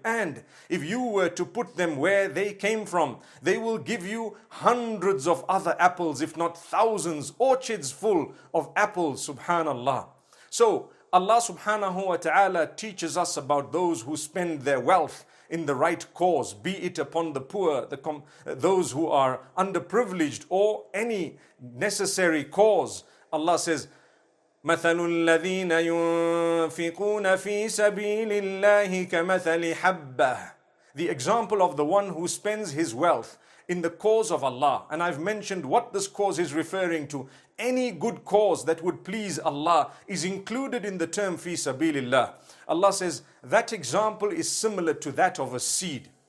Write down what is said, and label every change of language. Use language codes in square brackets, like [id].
[en] And if you were to put them where they came from, they will give you hundreds of other apples, if not thousands, orchards full of apples, subhanallah. So Allah subhanahu wa ta'ala teaches us about those who spend their wealth in the right cause, be it upon the poor, those who are underprivileged, or any necessary cause. Allah says, [ar] مثل الذين ينفقون في سبيل الله كمثل حبة. [en] The example of the one who spends his wealth in the cause of Allah. And I've mentioned what this cause is referring to. Any good cause that would please Allah is included in the term fi sabilillah. Allah says that example is similar to that of a seed.